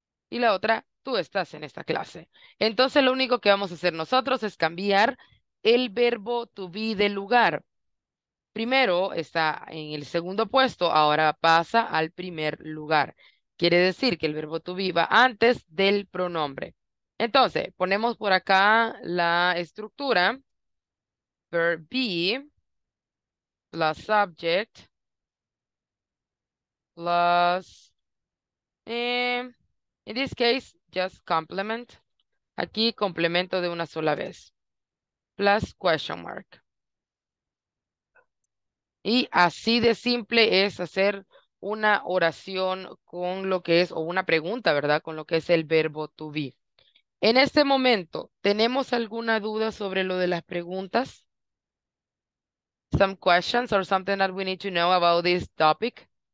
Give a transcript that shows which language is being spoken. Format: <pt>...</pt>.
<es>Y la otra, tú estás en esta clase. Entonces, lo único que vamos a hacer nosotros es cambiar el verbo to be del lugar. Primero está en el segundo puesto, ahora pasa al primer lugar. Quiere decir que el verbo to be va antes del pronombre. Entonces, ponemos por acá la estructura.</es> <en>Verb be plus subject plus, in this case, just complement.</en> <es>Aquí complemento de una sola vez.</es> <en>Plus question mark.</en> <es>Y así de simple es hacer una oración con lo que es, o una pregunta, ¿verdad? Con lo que es el verbo to be. En este momento, ¿tenemos alguna duda sobre lo de las preguntas?</es> <en>Some questions or something that we need to know about this topic?</en>